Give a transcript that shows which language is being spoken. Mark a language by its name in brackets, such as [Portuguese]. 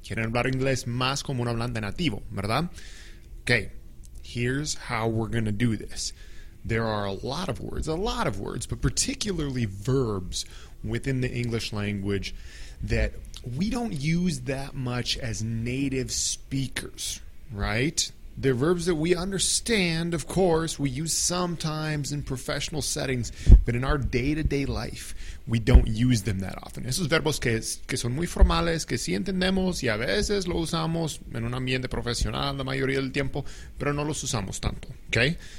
[Spanish] Quieren hablar inglés más como un hablante nativo, ¿verdad? [English] Okay, here's how we're going to do this. There are a lot of words, but particularly verbs within the English language that we don't use that much as native speakers, right? They're verbs that we understand, of course, we use sometimes in professional settings, but in our day-to-day life, we don't use them that often. [Spanish] Esos verbos que son muy formales, que sí entendemos, y a veces los usamos en un ambiente profesional la mayoría del tiempo, pero no los usamos tanto, okay?